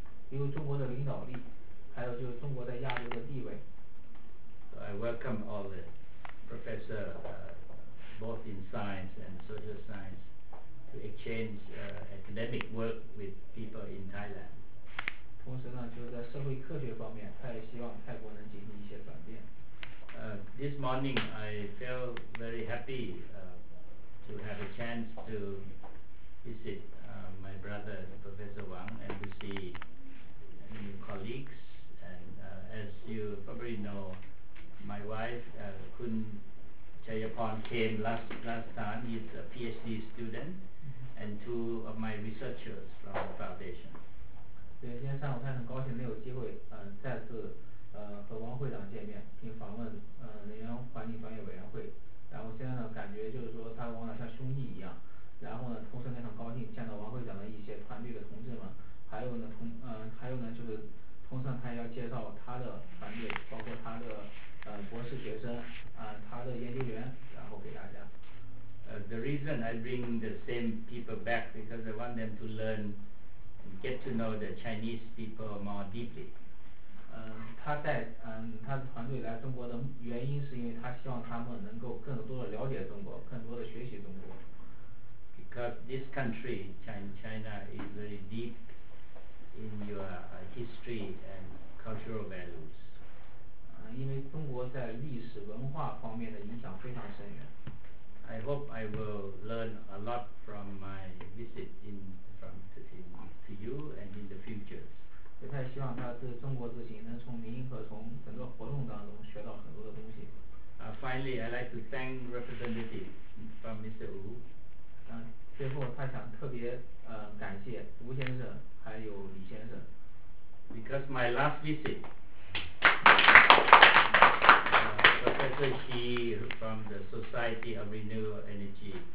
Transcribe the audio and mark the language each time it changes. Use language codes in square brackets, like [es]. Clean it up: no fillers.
[zh] 例如中国的领导力，还有就是中国在亚洲的地位。 [en] So、I welcome all the professor both in science and social science. Exchange academic work with people in Thailand. [zh] 同时呢，就是在社会科学方面，他也希望泰国能进行一些转变。 [en] This morning I feel very happy to have a chance to visit my brother Professor Wang and to see new colleagues. And as you probably know, my wife Khun Chayapon came last time. He's a PhD student. And two of my researchers from the foundation. [zh] 对，今天上午他很高兴能有机会，再次，和王会长见面，并访问，能源环境专业委员会。然后现在呢，感觉就是说他往往像兄弟一样。然后呢，同时也很高兴见到王会长的一些团队的同志们，还有呢就是，同时他要介绍他的团队，包括他的，博士学生，他的研究员，然后给大家。 [en] The reason I bring the same people back because I want them to learn and get to know the Chinese people more deeply. [zh] 他的团队来中国的原因是因为他希望他们能够更多的了解中国，更多的学习中国。 [en] Because this country, China, is very deep in your history and cultural values. [zh] 因为中国在历史文化方面的影响非常深远。 [en] I hope I will learn a lot from my visit to you and in the future. [zh] 也太希望他这中国之行能从您和从整个活动当中学到很多的东西。 [en] Finally, I'd like to thank representative from Mr. Wu. [zh] 最后他想特别感谢吴先生还有李先生。 [en] Because my last visit. Professor Xi from the Society of Renewable Energy.